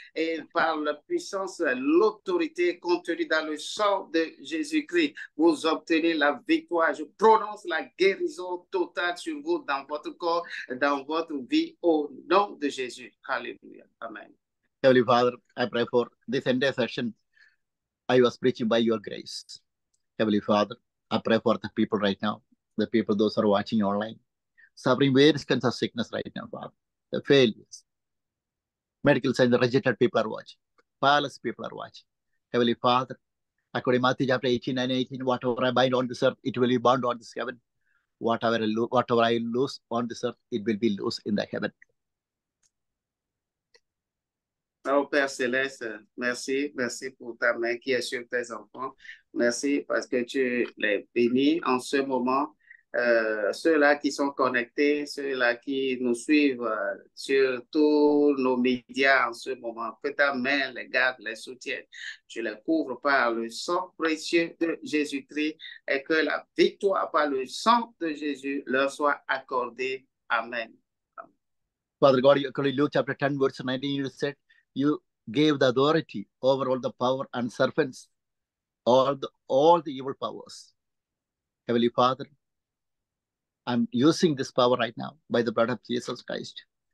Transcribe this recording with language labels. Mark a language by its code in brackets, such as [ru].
[fr] Et par la puissance, l'autorité contenue dans le sang de Jésus-Christ, vous obtenez la victoire. Je prononce la guérison totale sur vous, dans votre corps, dans votre vie, au nom de Jésus. Alléluia. Amen. [en] Heavenly Father, I pray for this entire session. I was preaching by your grace. Heavenly Father, I pray for the people right now, the people, those who are watching online, suffering various kinds of sickness right now, Father. failures. Medical science rejected, people are watching. Powerless people are watching. Heavenly Father, according to Matthew chapter 18 and 18, whatever I bind on this earth, it will be bound on this heaven. Whatever I lose on this earth, it will be loose in the heaven. [fr] Oh, Père Céleste, merci, merci pour ta main qui est sur tes enfants. Merci parce que tu les bénis en ce moment. Ceux-là qui sont connectés, ceux-là qui nous suivent sur tous nos médias en ce moment, que ta main les garde, les soutienne. Tu les couvres par le sang précieux de Jésus-Christ et que la victoire par le sang de Jésus leur soit accordée. Amen. [en] Father God, according to Luke chapter 10, verse 19, you said you gave the authority over all the power and serpents, all the evil powers. Heavenly Father, I'm using this power right now by the blood of Jesus Christ.